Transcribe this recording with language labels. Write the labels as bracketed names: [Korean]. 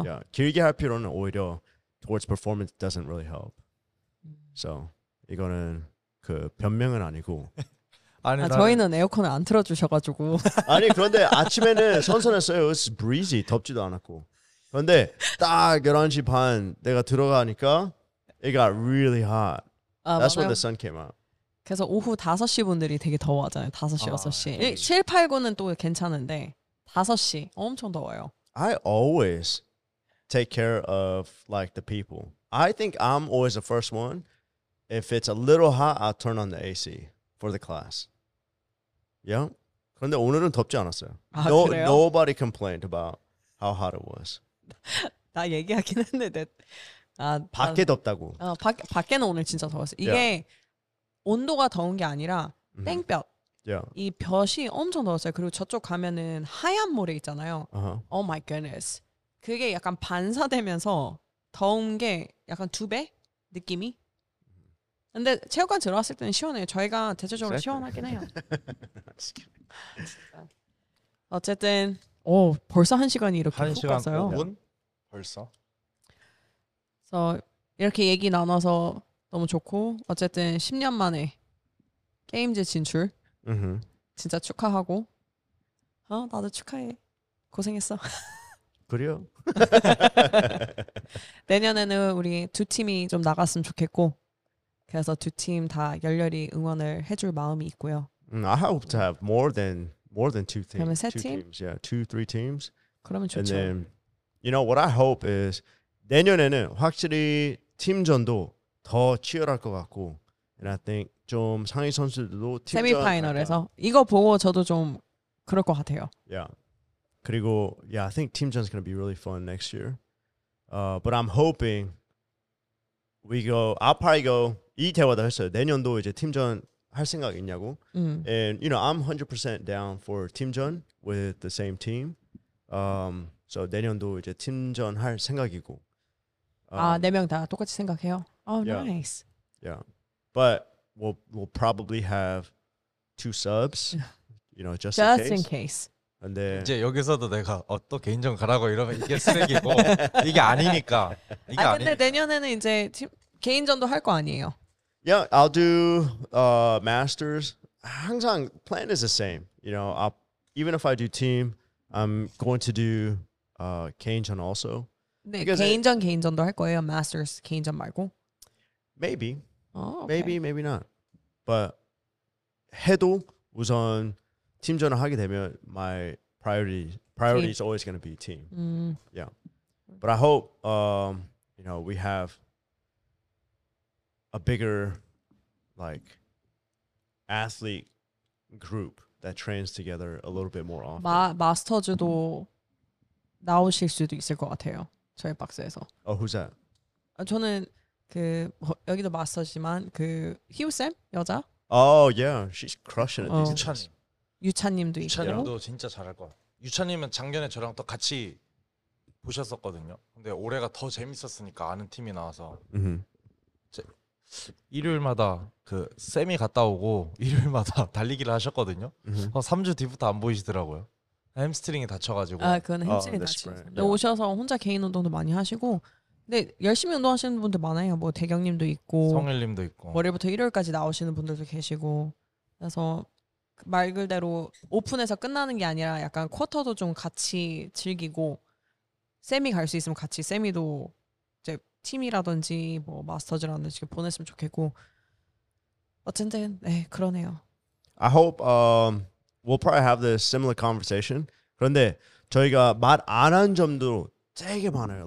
[English] yeah, [Korean] 길게 할 필요는 오히려 [English] towards performance doesn't really help. [Korean] So 이거는 그 변명은 아니고 아니, 아, 저희는 에어컨을 안 틀어주셔가지고 아니 그런데 아침에는 선선했어요. [English] It's breezy, [Korean] 덥지도 않았고 그런데 딱 11시 반 내가 들어가니까 [English] it got really hot. 아, That's [Korean] 맞아요. [English] when the sun came out. [Korean] 그래서 오후 5시 분들이 되게 더워하잖아요. 5시, 6시. 7, 8, 9는 또 괜찮은데 5시 엄청 더워요. [English] I always take care of like the people. I think I'm always the first one. If it's a little hot, I'll turn on the AC for the class. Yeah. [Korean] 그런데 오늘은 덥지 않았어요. 아, [English] no, [Korean] 그래요? [English] Nobody complained about how hot it was. [Korean] 나 얘기하긴 했는데 아 밖에 아, 덥다고. 어, 밖에는 오늘 진짜 더웠어요. 이게 yeah. 온도가 더운 게 아니라 땡볕. [English] Yeah. [Korean] 이 볕이 엄청 더웠어요. 그리고 저쪽 가면은 하얀 모래 있잖아요. Uh-huh. [English] Oh my goodness. [Korean] 그게 약간 반사되면서 더운 게 약간 두 배 느낌이. 근데 체육관 들어왔을 때는 시원해요. 저희가 대체적으로 [English] exactly. [Korean] 시원하긴 해요. 어쨌든 오 벌써 한 시간이 이렇게 한 시간 갔어요. 5분? 벌써? 그래서 이렇게 얘기 나눠서 너무 좋고 어쨌든 10년 만에 게임즈 진출 mm-hmm. 진짜 축하하고 어 나도 축하해. 고생했어. 그래요. 내년에는 우리 두 팀이 좀 나갔으면 좋겠고 그래서 두 팀 다 열렬히 응원을 해줄 마음이 있고요. [English] I hope to have more than two teams. [Korean] 그러면 세 [English] two [Korean] 팀? [English] Teams, yeah, two, three teams. [Korean] 그러면 좋죠. [English] And then, you know, what I hope is [Korean] 내년에는 확실히 팀전도 더 치열할 것 같고 [English] and I think [Korean] 좀 상위 선수들도 팀전 세미파이널에서 이거 보고 저도 좀 그럴 것 같아요. [English] Yeah. 그리고 yeah, I think 팀전 is going to be really fun next year. But I'm hoping we go. I'll probably go. [Korean] 이 대화도 했어요. 내년도 이제 팀전 할 생각 있냐고. [English] And you know, I'm 100% down for 팀전 with the same team. [Korean] So 내년도 이제 팀전 할 생각이고. 아, 네 명 다 똑같이 생각해요. [English] Oh, yeah. nice. Yeah, but we'll probably have two subs. You know, just in case. [Korean] 근데 이제 여기서도 내가 어, 또 개인전 가라고 이러면 이게 쓰레기고 이게 아니니까 이게 아니 근데 내년에는 이제 팀, 개인전도 할 거 아니에요. [English] Yeah, I'll do masters. [Korean] 항상 [English] plan is the same. You know, even if I do team, I'm going to do 개인전 also. [Korean] 네, 개인전 개인전도 할 거예요. Masters 개인전 말고. [English] Maybe. Oh, okay. Maybe, maybe not. But [Korean] 해도 우선 팀전을 하게 되면 [English] my priority is always going to be team. Yeah. But I hope you know, we have a bigger like athlete group that trains together a little bit more often. [Korean] 마스터즈도 나오실 수도 있을 것 같아요. 저희 박스에서. Oh, who's that? 저는 그 여기도 마스터지만 그 히우쌤 여자. [English] Oh, yeah. She's crushing it. [Korean] 유찬님. 유찬님도 있고. 유찬님도 진짜 잘할 것 같아요. 유찬님은 작년에 저랑 또 같이 보셨었거든요. 근데 올해가 더 재밌었으니까 아는 팀이 나와서 일요일마다 그 쌤이 갔다 오고 일요일마다 달리기를 하셨거든요. 3주 뒤부터 안 보이시더라고요. 햄스트링이 다쳐가지고. 아, 그건 햄스트링이 다쳐서. 오셔서 혼자 개인 운동도 많이 하시고 근데 열심히 운동하시는 분들 많아요. 뭐 대경님도 있고 성일님도 있고 월요일부터 일요일까지 나오시는 분들도 계시고 그래서 말 그대로 오픈에서 끝나는 게 아니라 약간 쿼터도 좀 같이 즐기고 쌤이 갈 수 있으면 같이 쌤이도 이제 팀이라든지 뭐 마스터즈라든지 보냈으면 좋겠고 어쨌든 네 그러네요. [English] I hope we'll probably have this similar conversation. [Korean] 그런데 저희가 말 안 한 점도 되게 많아요.